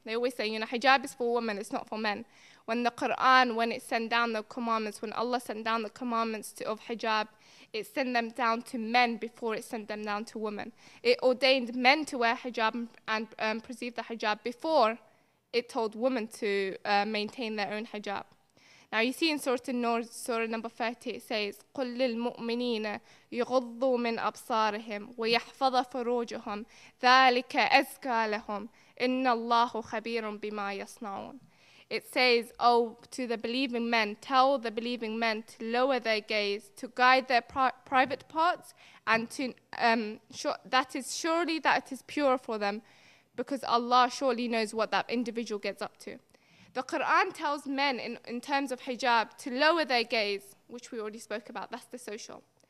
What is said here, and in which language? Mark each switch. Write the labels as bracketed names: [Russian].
[English] They always say, you know, hijab is for women, it's not for men. When the Quran, when it sent down the commandments, when Allah sent down the commandments of hijab, it sent them down to men before it sent them down to women. It ordained men to wear hijab and perceive the hijab before it told women to maintain their own hijab. Now you see in Surah number 30, it says, [Arabic] قُلْ لِلْمُؤْمِنِينَ يُغُضُّوا مِنْ أَبْصَارِهِمْ وَيَحْفَظَ فُرُوجُهُمْ ذَلِكَ أَزْكَى لَهُمْ إِنَّ اللَّهُ خَبِيرٌ بِمَا يَصْنَعُونَ. [English] It says, oh, to the believing men, tell the believing men to lower their gaze, to guide their private parts, and to surely that it is pure for them, because Allah surely knows what that individual gets up to. The Quran tells men in terms of hijab to lower their gaze, which we already spoke about, that's the social.